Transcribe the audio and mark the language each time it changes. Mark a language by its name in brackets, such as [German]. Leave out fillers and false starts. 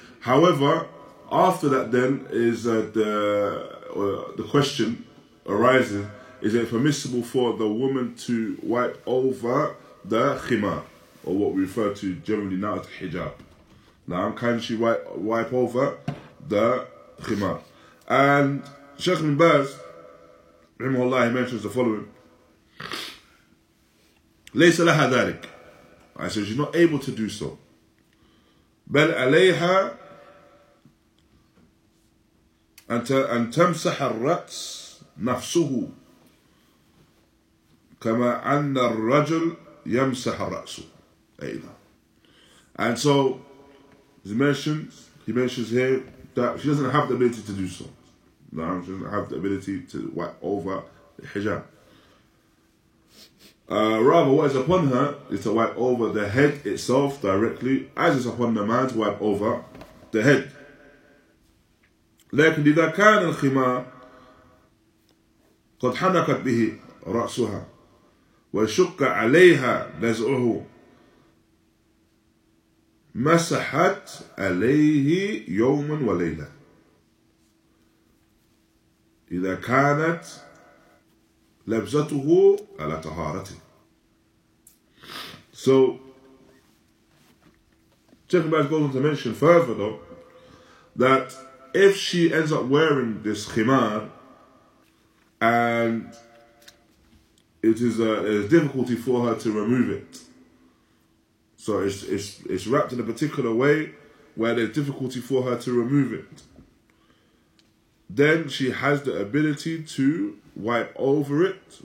[English] However, after that then, is the question arises, is it permissible for the woman to wipe over the khimar, or what we refer to generally now as hijab? Now, can she wipe over the khimar? And Sheikh bin Baz, rahimahullah, he mentions the following. [Arabic] لَيْسَ لَهَا ذَلِكَ. [English] I said, she's not able to do so. [Arabic] بَلْ عَلَيْهَا أن تمسح الرأس نفسه كما أن الرجل يمسح رأسه أيضا. [English] And so he mentions here that she doesn't have the ability to do so. No, she doesn't have the ability to wipe over the hijab. Rather, what is upon her is to wipe over the head itself directly, as is upon the man to wipe over the head. [Arabic] لكن إذا كان الخمار قد حنكت به رأسها وشق عليها نزعه مسحت عليه يوما وليلة إذا كانت لبزته على طهارته. [English] So, Sheikh Baz goes on to mention further though that if she ends up wearing this khimar and it is a difficulty for her to remove it, so it's wrapped in a particular way where there's difficulty for her to remove it, then she has the ability to wipe over it.